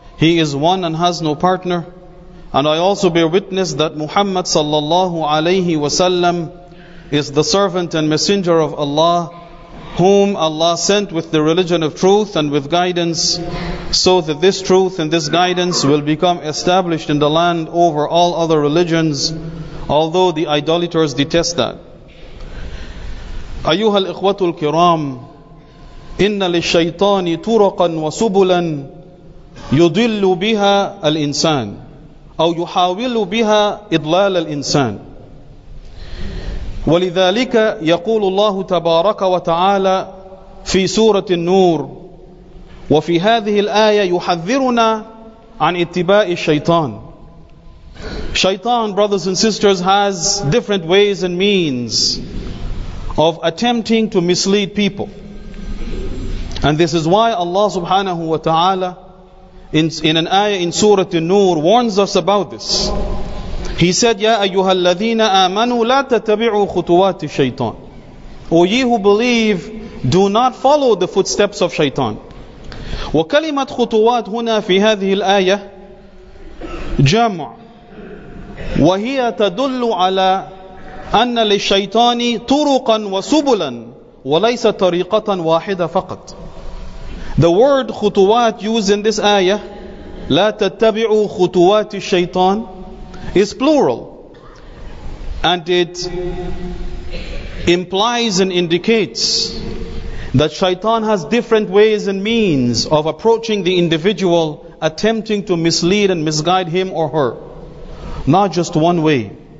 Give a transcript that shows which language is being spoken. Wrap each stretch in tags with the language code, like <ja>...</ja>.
<en>He is one and has no partner. And I also bear witness that Muhammad sallallahu alayhi wasallam is the servant and messenger of Allah, whom Allah sent with the religion of truth and with guidance, so that this truth and this guidance will become established in the land over all other religions, although the idolaters detest that.</en> <ar>أيها الإخوة الكرام، إن للشيطان طرقا وسبلا يضل بها الإنسان أو يحاول بها إضلال الإنسان. ولذلك يقول الله تبارك وتعالى في سورة النور وفي هذه الآية يحذرنا عن اتباع الشيطان.</ar> <en>Shaitan, brothers and sisters, has different ways and means of attempting to mislead people. And this is why Allah subhanahu wa ta'ala in an ayah in Surah An-Nur warns us about this. He said,</en> <ar>يَا أَيُّهَا الَّذِينَ آمَنُوا لَا تَتَبِعُوا خُطُوَاتِ الشَّيْطَانِ.</ar> <en>O ye who believe, do not follow the footsteps of shaitan.</en> <ar>وَكَلِمَةْ خُطُوَاتْ هُنَا فِي هَذِهِ الْآيَةِ جَمْعُ وَهِيَ تَدُلُّ عَلَى أن للشيطان طرقا وسبلا وليس طريقة واحدة فقط.</ar> <en>The word خطوات used in this ayah,</en> <ar>لا تتبعوا خطوات الشيطان,</ar> <en>is plural, and it implies and indicates that shaitan has different ways and means of approaching the individual, attempting to mislead and misguide him or her, not just one way.</en>